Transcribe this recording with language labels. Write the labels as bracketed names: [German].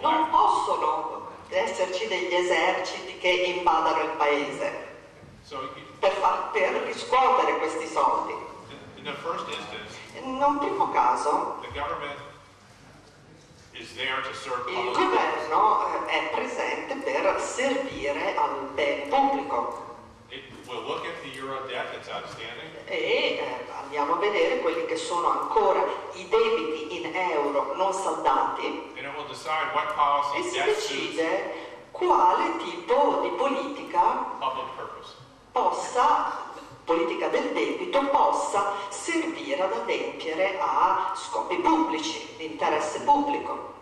[Italian] non possono esserci degli eserciti che invadano il paese per riscuotere questi soldi. [English] In the first instance, [Italian] in un primo caso, [English] the government is there to serve [Italian] il governo è presente per servire al bene pubblico. [English] We'll look at the euro debt that's outstanding. [Italian] E andiamo a vedere quelli che sono ancora i debiti in euro non saldati. [English] And it will decide what policy [Italian] e si decide quale tipo di politica [English] public purpose. [Italian] Possa politica del debito possa servire ad adempiere a scopi pubblici, di interesse pubblico.